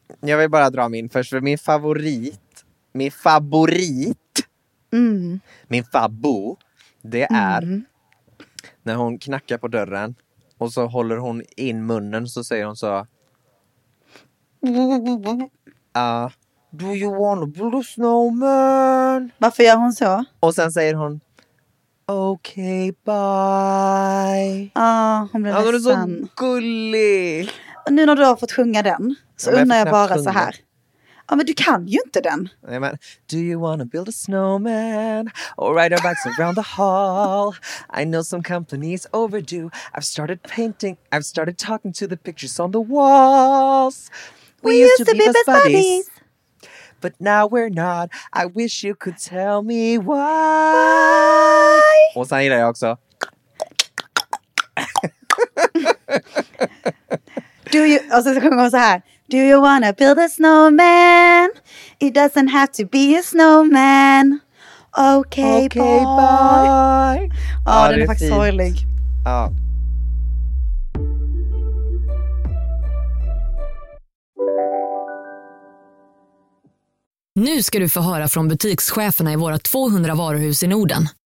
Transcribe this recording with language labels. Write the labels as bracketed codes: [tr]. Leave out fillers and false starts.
[sv] Jag vill bara dra min först. För min favorit. Min favorit. Min fabbo. Det är. När hon knackar på dörren och så håller hon in munnen, så säger hon så. [en] Do you want to build a snowman? [sv] Varför gör hon så? Och sen säger hon. [en] Okay, bye. [sv] Hon blev så gullig. Och nu när du har fått sjunga den så undrar jag bara så här. Ja, men du kan ju inte den. [en] Amen. Do you wanna build a snowman? Or ride our bikes around the hall? I know some companies overdue. I've started talking to the pictures on the walls. We used to be best buddies. But now we're not. I wish you could tell me why. [sv] Och sen gillar jag också. Och så kommer hon så här. [en] Do you wanna build a snowman? It doesn't have to be a snowman. Okay, bye. [sv] Den är faktiskt sorglig. Ja. Nu ska du få höra från butikscheferna i våra 200 varuhus i Norden.